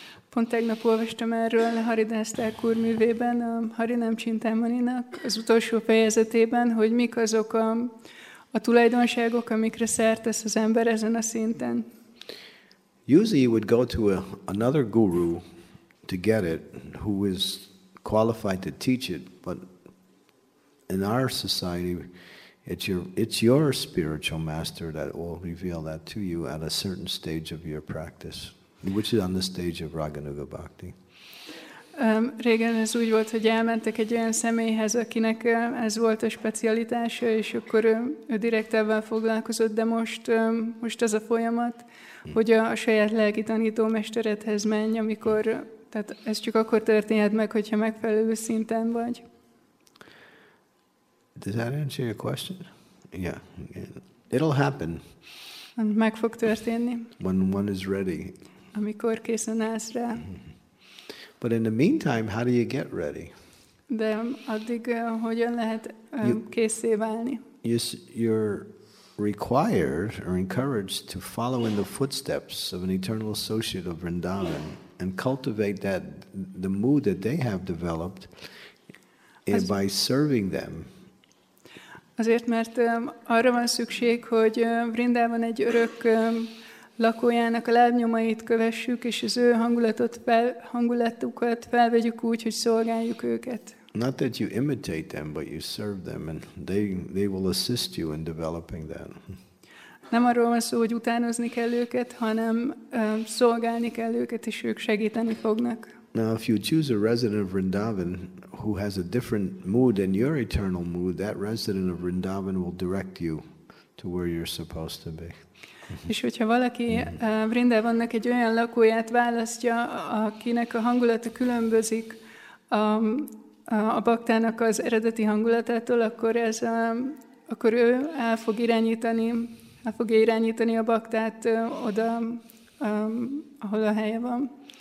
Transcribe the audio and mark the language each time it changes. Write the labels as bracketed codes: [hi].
[hu] Pont tegnap olvastam erről Haridas Thakur művében, a Harinam Chintamaninak az utolsó fejezetében, hogy mik azok a tulajdonságok, amikre szert tesz az ember ezen a szinten. [en] Usually you would go to another guru to get it, who is qualified to teach it, but in our society, it's your spiritual master that will reveal that to you at a certain stage of your practice, which is on the stage of Raganuga Bhakti. [hu] Régen ez úgy volt, hogy elmentek egy olyan személyhez, akinek ez volt a specialitása, és akkor ő direktelvel foglalkozott, de most az a folyamat, hogy a saját lelki tanító mesteredhez menj, amikor, tehát ez csak akkor történhet meg, hogyha megfelelő szinten vagy. [en] Does that answer your question? Yeah. It'll happen. [hu] Meg fog történni. [en] When one is ready. [hu] Amikor készen állsz rá. [en] But in the meantime, how do you get ready? [hu] De addig hogyan lehet készé válni? [en] You're required or encouraged to follow in the footsteps of an eternal associate of Vrindavan and cultivate that the mood that they have developed by serving them. [hu] Azért, mert arra van szükség, hogy Vrindavan egy örök lakójának a lábnyomait kövessük, és az ő hangulatukat felvegyük úgy, hogy szolgáljuk őket. [en] Not that you imitate them, but you serve them, and they will assist you in developing that. [hu] Nem arról van szó, hogy utánozni kell őket, hanem szolgálni kell őket, és ők segíteni fognak. [en] Now, if you choose a resident of Vrindavan who has a different mood than your eternal mood, that resident of Vrindavan will direct you to where you're supposed to be. [hu] És hogyha valaki Vrindavannak egy olyan lakóját választja, akinek a hangulata különbözik a baktának az eredeti hangulatától, akkor ez akkor ő el fogja irányítani a baktát oda, ahol a helye van.